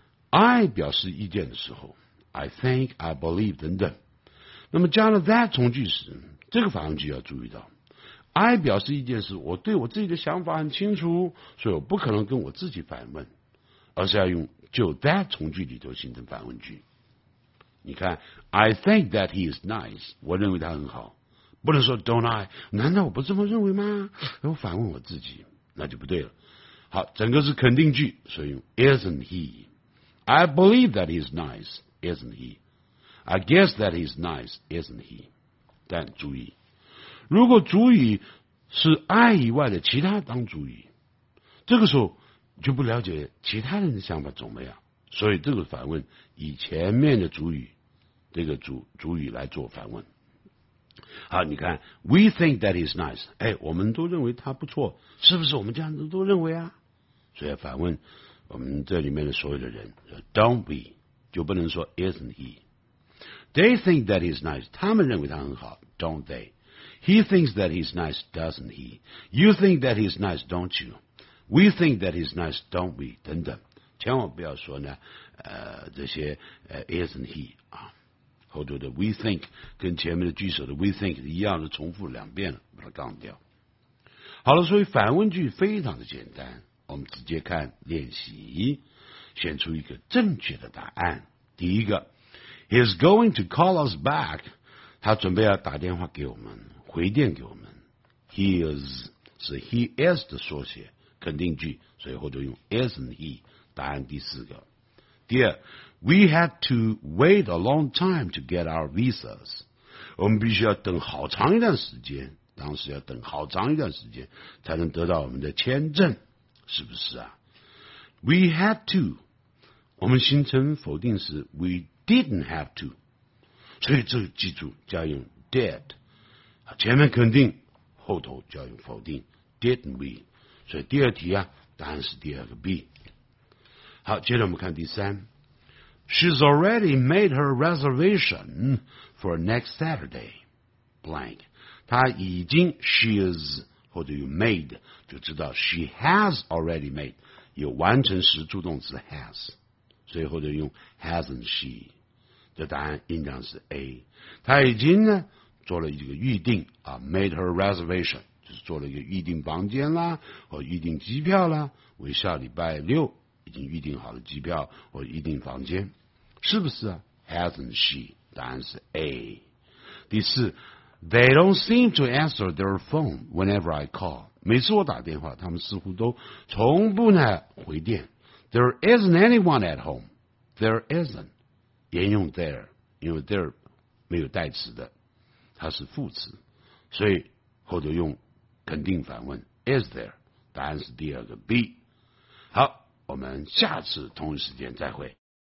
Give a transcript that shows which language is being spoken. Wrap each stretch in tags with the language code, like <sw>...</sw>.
<zh>I 表示意见的时候</zh> <en>I think, I believe</en> <zh>等等，那么加了 that 从句时，这个反问句要注意到 I 表示意见是我对我自己的想法很清楚，所以我不可能跟我自己反问，而是要用就 that 从句里头形成反问句。你看</zh> <en>I think that he is nice，</en> <zh>我认为他很好，不能说</zh> <en>don't I，</en> <zh>难道我不这么认为吗？我反问我自己，那就不对了。好，整个是肯定句，所以用 isn't he。</zh> <en>I believe that he's nice, isn't he? I guess that he's nice, isn't he?</en> <zh>但注意，如果主语是 I 以外的其他当主语，这个时候就不了解其他人的想法怎么样，所以这个反问以前面的主语，这个 主语来做反问。好，你看 We think that he's nice， 哎，我们都认为他不错，是不是我们这样子都认为啊？所以反问我们这里面的所有的人</zh> <en>Don't be，</en> <zh>就不能说</zh> <en>Isn't he？ They think that he's nice，</en> <zh>他们认为他很好，</zh> <en>Don't they？ He thinks that he's nice， Doesn't he？ You think that he's nice， Don't you？ We think that he's nice， Don't we？</en> <zh>等等，千万不要说呢这些</zh> <en>Isn't he</en> <zh>啊，后头的 we think 跟前面的句首的 we think 一样的重复两遍了，把它杠掉。好了，所以反问句非常的简单，我们直接看练习，选出一个正确的答案。第一个</zh> <en>he's going to call us back，</en> <zh>他准备要打电话给我们，回电给我们。</zh> <en>he is</en> <zh>是 he is 的缩写，肯定句，所以后头用</zh> <en>isn't he。</en> <zh>答案第四个。第二，</zh> <en>We had to wait a long time to get our visas.</en> <zh>我们必须要等好长一段时间，当时要等好长一段时间才能得到我们的签证，是不是啊？</zh> <en>We had to，</en> <zh>我们形成否定时</zh> <en>We didn't have to，</en> <zh>所以这个记住就要用 did， 前面肯定，后头就要用否定</zh> <en>didn't we，</en> <zh>所以第二题啊，答案是第二个 B。好，接着我们看第三，</zh> <en>She's already made her reservation for next Saturday. Blank.</en> <zh>她已经</zh> <en>she is</en> <zh>或者</zh> <en>you made</en> <zh>就知道</zh> <en>she has already made</en> <zh>有完成时助动词 has， 所以或者用</zh> <en>hasn't she，</en> <zh>这答案应当是 A。她已经呢做了一个预定啊，</zh> <en>made her reservation</en> <zh>就是做了一个预定房间啦或预定机票啦，为下礼拜六已经预定好了机票或预定房间，是不是啊？</zh> <en>Hasn't she？</en> <zh>答案是 A。第四，</zh> <en>They don't seem to answer their phone whenever I call，</en> <zh>每次我打电话他们似乎都从不呢回电。</zh> <en>There isn't anyone at home， There isn't，</en> <zh>沿用 there， 因为 there 没有代词的，它是副词，所以后头用肯定反问</zh> <en>Is there？</en> <zh>答案是第二个 B。 好，我们下次同一时间再会。</zh>